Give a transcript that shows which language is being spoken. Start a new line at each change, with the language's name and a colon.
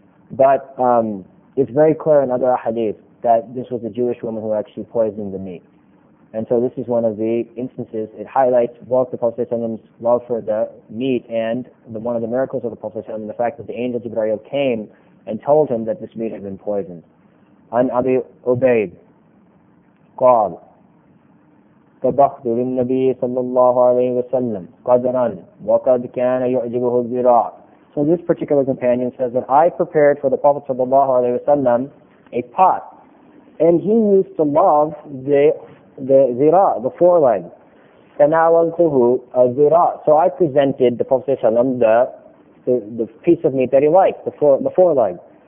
English: But it's very clear in other ahadith that this was a Jewish woman who actually poisoned the meat. And so this is one of the instances. It highlights both the Prophet's love for the meat and one of the miracles of the Prophet, and the fact that the angel Jibreel came and told him that this meat had been poisoned.
Arabic: عن أبي عبيد قال طبخت للنبي صلى الله عليه وسلم قدرا وقد كان يعجبه الذراع.
English: So this particular companion says that I prepared for the Prophet صلى الله عليه وسلم a pot, and he used to love the ذراع, the foreleg.
Arabic: فناولته الذراع.
English: So I presented the Prophet صلى الله عليه وسلم the piece of meat that he liked, the foreleg.